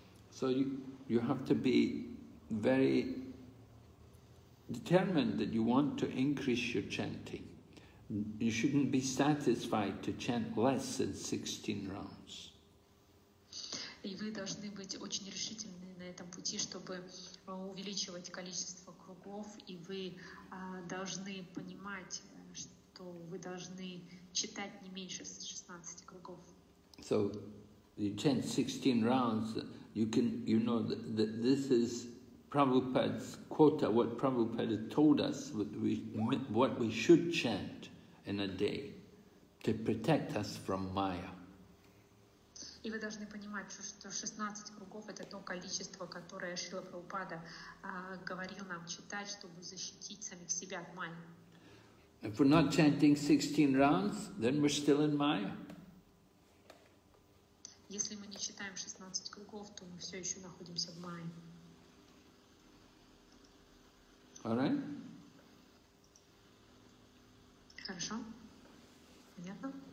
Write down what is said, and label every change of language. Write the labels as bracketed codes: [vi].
[en] So you have to be very determined that you want to increase your chanting. You shouldn't be satisfied to chant less than 16 rounds. [ru] И вы должны быть очень решительны на этом пути, чтобы увеличивать количество кругов, и вы должны понимать, что вы должны читать не меньше 16 кругов. [en] So you chant 16 rounds. You know that this is Prabhupada's quota, what Prabhupada told us, what we should chant in a day to protect us from Maya. [ru] И вы должны понимать, что 16 кругов это то количество, которое Шрила Прабхупада говорил нам читать, чтобы защитить самих себя от Майи. [en] If we're not chanting 16 rounds, then we're still in Maya. [ru] Если мы не читаем 16 кругов, то мы все еще находимся в мае. [en] All right. [ru] Хорошо. Понятно?